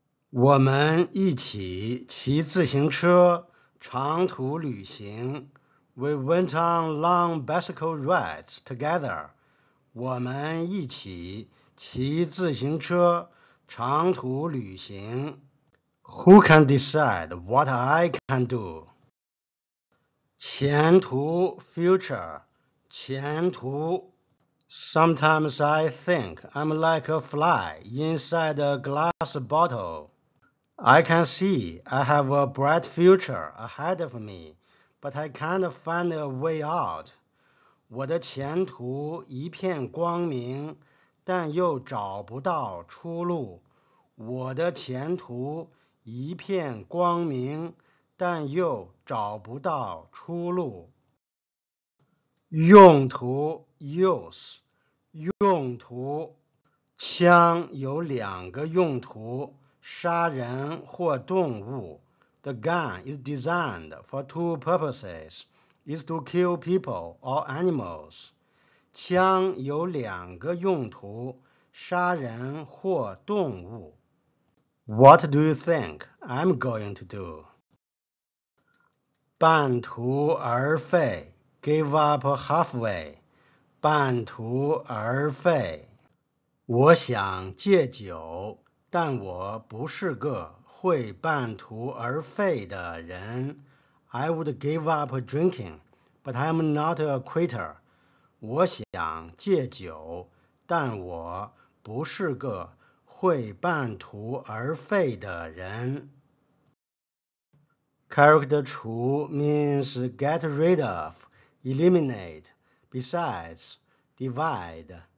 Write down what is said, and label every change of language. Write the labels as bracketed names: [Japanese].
[Chinese] 我们一起骑自行车长途旅行。 [English] We went on long bicycle rides together. [Chinese] 我们一起骑自行车长途旅行。 [English] Who can decide what I can do? [Chinese] 前途 [English] future, 前途 Sometimes I think I'm like a fly inside a glass bottle. I can see I have a bright future ahead of me, but I can't find a way out. [Chinese] 我的前途一片光明，但又找不到出路。我的前途一片光明，但又找不到出路。用途 use， 用途，枪有两个用途，杀人或动物。 [English] The gun is designed for two purposes, is to kill people or animals. [Chinese] 枪有两个用途，杀人或动物。 [English] What do you think I'm going to do? [Chinese] 半途而废 , [English] give up halfway, [Chinese] 半途而废。我想戒酒，但我不是个会半途而废的人。 [English] I would give up drinking, but I'm not a quitter. [Chinese] 我想戒酒，但我不是个会半途而废的人。 [English] Character 除 means get rid of, eliminate, besides, divide.